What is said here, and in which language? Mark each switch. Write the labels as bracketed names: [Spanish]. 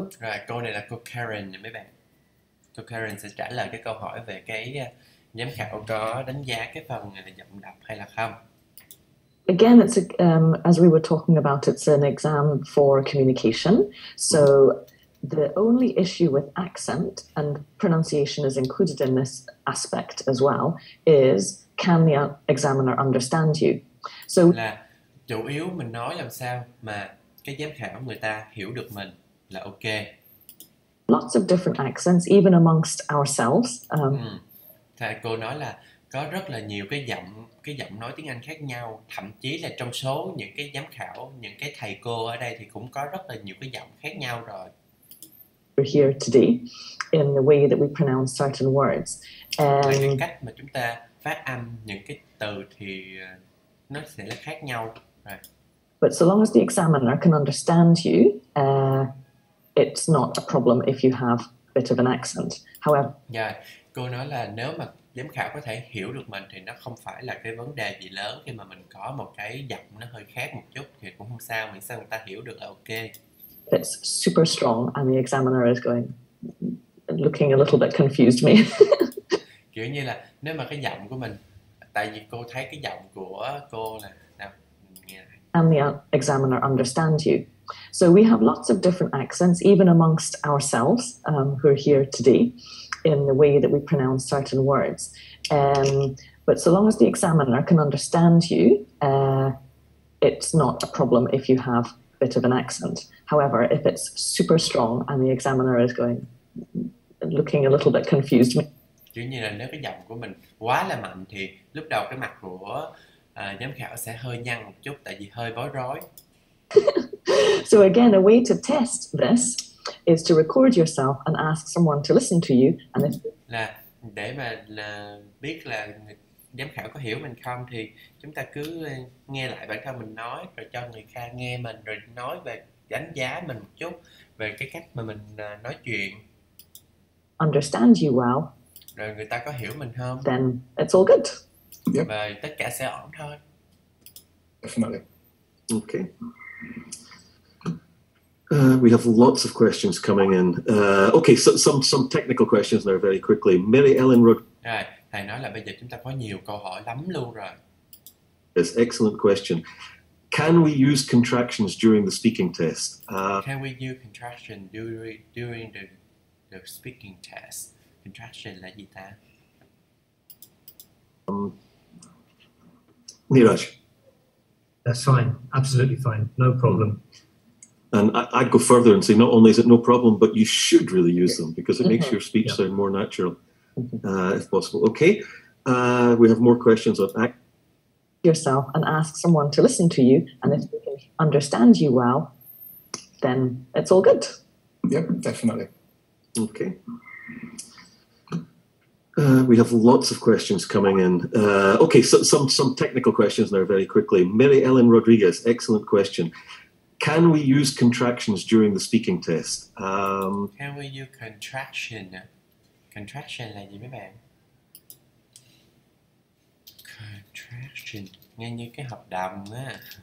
[Vietnamese] Right, câu này là cô Karen nè mấy bạn. Cô Karen sẽ trả lời cái câu hỏi về cái giám khảo có đánh giá cái phần giọng đọc hay là không. [English] Again, it's a, as we were talking about, it's an exam for communication. So the only issue with accent, and pronunciation is included in this aspect as well, is can the examiner understand you? So [Vietnamese] là chủ yếu mình nói làm sao mà cái giám khảo người ta hiểu được mình là ok. [English] Lots of different accents, even amongst ourselves. [Vietnamese] Thì cô nói là có rất là nhiều cái giọng nói tiếng Anh khác nhau, thậm chí là trong số những cái giám khảo, những cái thầy cô ở đây thì cũng có rất là nhiều cái giọng khác nhau rồi. [English] We're here today in the way that we pronounce certain words. [Vietnamese] Và cái cách mà chúng ta phát âm những cái từ thì nó sẽ là khác nhau. [English] Right. But so long as the examiner can understand you, it's not a problem if you have a bit of an accent. However, yeah. [Vietnamese] Cô nói là nếu mà giám khảo có thể hiểu được mình thì nó không phải là cái vấn đề gì lớn khi mà mình có một cái giọng nó hơi khác một chút thì cũng không sao, miễn sao người ta hiểu được là ok. [English] It's super strong and the examiner is going, looking a little bit confused me. [Vietnamese] Kiểu như là nếu mà cái giọng của mình, tại vì cô thấy cái giọng của cô là, nào, nghe này. [English] And the examiner understands you. So we have lots of different accents, even amongst ourselves, who are here today, in the way that we pronounce certain words. But so long as the examiner can understand you, it's not a problem if you have a bit of an accent. However, if it's super strong and the examiner is going, looking a little bit confused. [Vietnamese] Chứ như là nếu cái giọng của mình quá là mạnh thì lúc đầu cái mặt của giám khảo sẽ hơi nhăn một chút tại vì hơi bối rối. [English] So again, a way to test this is to record yourself and ask someone to listen to you. And if... [Vietnamese] là để mà là biết là giám khảo có hiểu mình không thì chúng ta cứ nghe lại bản thân mình nói rồi cho người khác nghe mình rồi nói về đánh giá mình một chút về cái cách mà mình nói chuyện. [English] Understand you well. [Vietnamese] Rồi người ta có hiểu mình không? [English] Then it's all good. Yep. [Vietnamese] Và tất cả sẽ ổn thôi. [English] Definitely. Okay. We have lots of questions coming in. Okay, so some technical questions there very quickly. Mary Ellen wrote. [Vietnamese] Rồi, thầy nói là bây giờ chúng ta có nhiều câu hỏi lắm luôn rồi. [English] Yes, excellent question. Can we use contractions during the speaking test? Can we use contraction during the speaking test? [Vietnamese] Contraction là gì ta? [English] Neeraj. That's fine. Absolutely fine. No problem. And I'd go further and say not only is it no problem, but you should really use them because it makes your speech sound more natural, if possible. Okay. We have more questions on act. Yourself and ask someone to listen to you, and if they can understand you well, then it's all good. Yep, definitely. Okay. We have lots of questions coming in. Okay, so some technical questions there very quickly. Mary Ellen Rodriguez, excellent question. Can we use contractions during the speaking test? Can we use contraction? [Vietnamese] Contraction là gì mấy bạn? Contraction, nghe như cái hợp đồng á.